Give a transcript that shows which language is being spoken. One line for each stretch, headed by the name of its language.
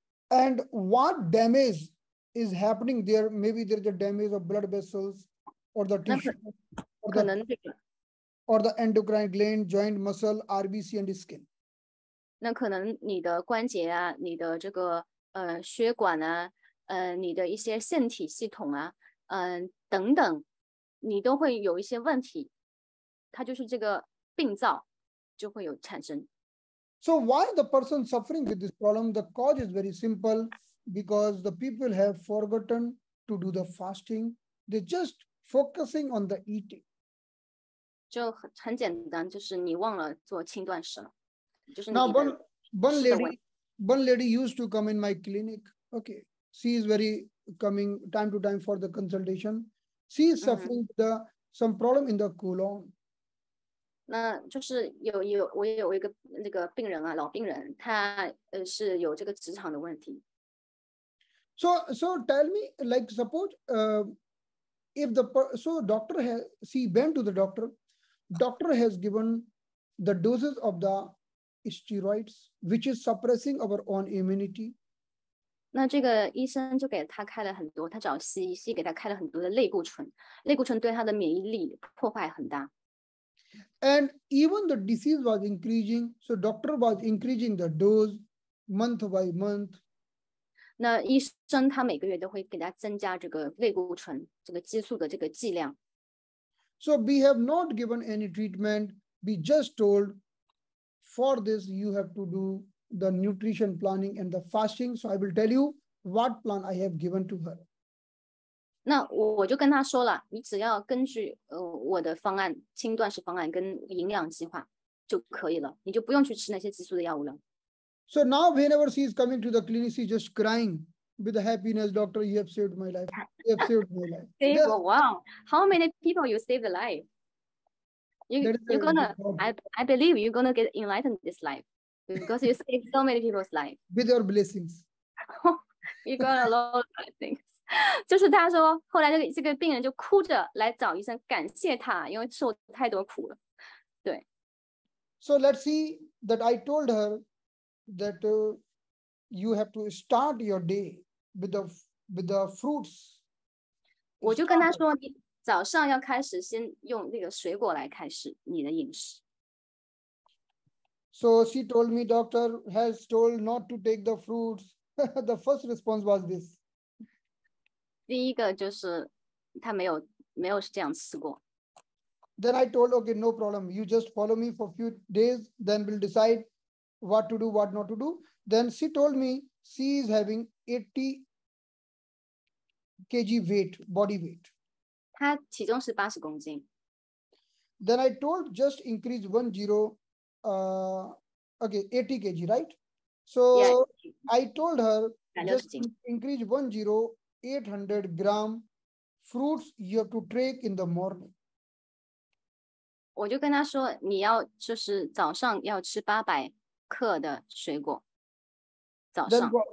English: And what damage is happening there? Maybe there's a damage of blood vessels or the tissue, or the endocrine gland, joint muscle, RBC and skin.
Chinese: 那可能你的关节啊，你的这个血管啊，你的一些腺体系统啊，等等，你都会有一些问题。它就是这个。病灶就会有产生。
English: So why the person suffering with this problem? The cause is very simple, because the people have forgotten to do the fasting. They're just focusing on the eating.
Chinese: 就很简单，就是你忘了做轻断食了。就是、
English: Now one lady used to come in my clinic. Okay, she is very coming time to time for the consultation. She is suffering some problem in the colon.
Chinese: 那就是我有一个那个病人啊，老病人，他是有这个直肠的问题。
English: So tell me, like suppose, if the so doctor has she went to the doctor, doctor has given the doses of the steroids which is suppressing our own immunity.
Chinese: 那这个医生就给他开了很多，他找西医，西医给他开了很多的类固醇，类固醇对他的免疫力破坏很大。
English: And even the disease was increasing, so doctor was increasing the dose month by month.
Chinese: 那医生他每个月都会给他增加这个类固醇这个激素的这个剂量。
English: So we have not given any treatment. We just told for this you have to do the nutrition planning and the fasting. So I will tell you what plan I have given to her.
Chinese: 那我就跟他说了，你只要根据我的方案，轻断食方案跟营养计划就可以了，你就不用去吃那些激素的药物了。
English: So now whenever she is coming to the clinic, she's just crying with the happiness, doctor, you have saved my life. You have saved my life. Save, wow. How many people you saved the life? I believe you're gonna get enlightened this life because you save so many people's life with your blessings. You got a lot of things.
Chinese: 就是他说，后来这个病人就哭着来找医生，感谢他，因为受太多苦了。对。
English: So let's see that I told her that you have to start your day with the fruits.
Chinese: 我就跟他说，你早上要开始先用那个水果来开始你的饮食。
English: So she told me, doctor has told not to take the fruits. The first response was this.
Chinese: 第一个就是他没有这样吃过。
English: Then I told, okay, no problem. You just follow me for a few days, then we'll decide what to do, what not to do. Then she told me she is having 80 kg weight, body weight.
Chinese: 他体重是80公斤。
English: Then I told, just increase 10, okay, 80 kg, right? So yeah. I told her, just increase 10, 800 gram fruits you have to take in the morning.
Chinese: 我就跟他说，你要就是早上要吃800克的水果，早上。